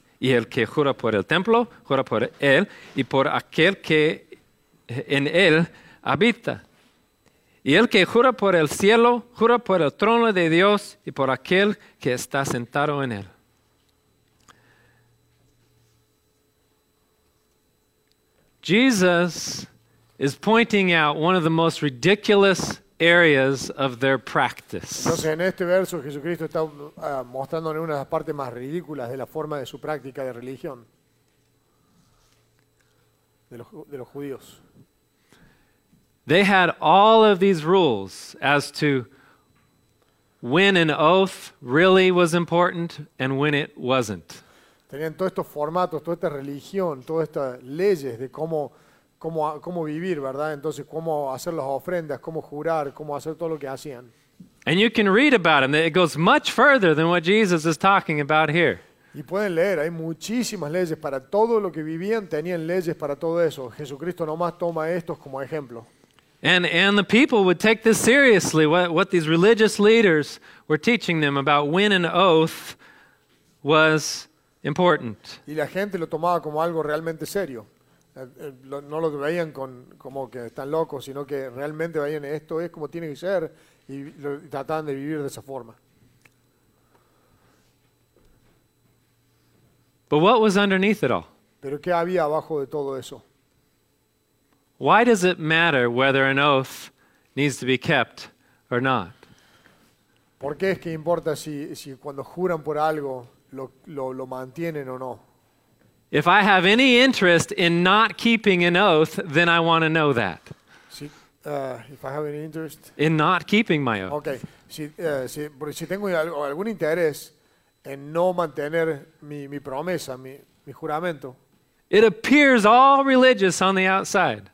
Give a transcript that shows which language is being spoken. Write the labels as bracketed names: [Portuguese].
[Spanish] Y el que jura por el templo, jura por él y por aquel que en él habita. Y el que jura por el cielo, jura por el trono de Dios y por aquel que está sentado en él. [English] Jesus is pointing out one of the most ridiculous areas of their practice. [Spanish] Entonces, en este verso, Jesucristo está mostrándole una de las partes más ridículas de la forma de su práctica de religión de los judíos. [English] They had all of these rules as to when an oath really was important and when it wasn't. [Spanish] Tenían todos estos formatos, toda esta religión, todas estas leyes de cómo vivir, ¿verdad? Entonces, cómo hacer las ofrendas, cómo jurar, cómo hacer todo lo que hacían. [English] And you can read about them. It goes much further than what Jesus is talking about here. [Spanish] Y pueden leer, hay muchísimas leyes para todo lo que vivían, tenían leyes para todo eso. Jesucristo nomás toma estos como ejemplo. [English] And the people would take this seriously, what these religious leaders were teaching them about when an oath was important. [Spanish] Y la gente lo tomaba como algo realmente serio. No lo veían como que están locos, sino que realmente veían esto es como tiene que ser y trataban de vivir de esa forma. [English] But what was underneath it all? [Spanish] ¿Pero qué había abajo de todo eso? [English] Why does it matter whether an oath needs to be kept or not? [Spanish] ¿Por qué es que importa si cuando juran por algo lo mantienen o no? [English] If I have any interest in not keeping an oath, then I want to know that. Si, if I have any interest in not keeping my oath. Okay. [Spanish] Si tengo algún interés en no mantener mi promesa, mi juramento. [English] It appears all religious on the outside.